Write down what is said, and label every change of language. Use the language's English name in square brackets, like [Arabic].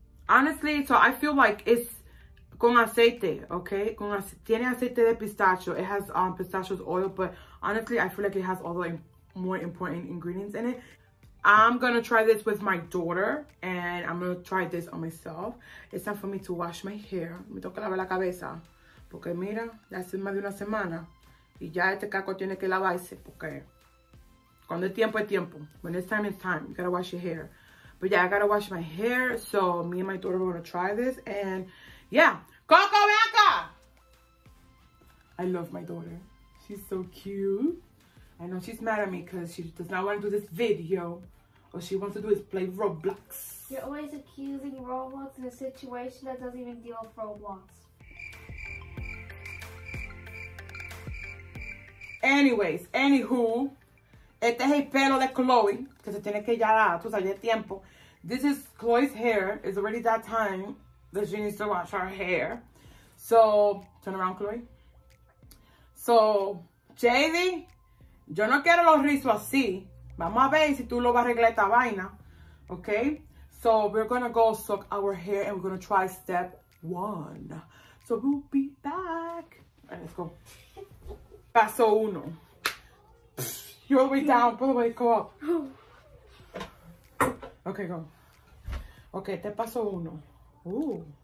[English] Honestly, so I feel like it's [Spanish] con aceite, [English] okay? [Spanish] Tiene aceite de pistacho. [English] It has pistachio oil, but honestly, I feel like it has all the more important ingredients in it. I'm gonna try this with my daughter and I'm gonna try this on myself. It's time for me to wash my hair. [Spanish] Me toca lavar la cabeza. Porque mira, ya hace más de una semana y ya este caco tiene que lavarse porque cuando es tiempo, es tiempo. [English] When it's time, it's time. You gotta wash your hair. But yeah, I gotta wash my hair. So me and my daughter are gonna try this and yeah. [Spanish] Coco, ven acá. [English] I love my daughter. She's so cute. I know she's mad at me because she does not want to do this video. All she wants to do is play Roblox. You're always accusing Roblox in a situation that doesn't even deal with Roblox. Anyways, anywho, [Spanish] este es el pelo de Chloe, que se tiene que ya dar, tú sabes, ya es tiempo. [English] This is Chloe's hair. It's already that time that she needs to wash her hair. So, turn around, Chloe. [Spanish] So, JD, yo no quiero los rizos así. Vamos a ver si tú lo vas a arreglar esta vaina. [English] Okay? So, we're gonna go soak our hair and we're gonna try step one. So, we'll be back. All right, let's go. [Spanish] Paso uno. [English] You're all the way down, by the way, go up. Okay, go. Okay, [Spanish] te paso uno. [English] Ooh.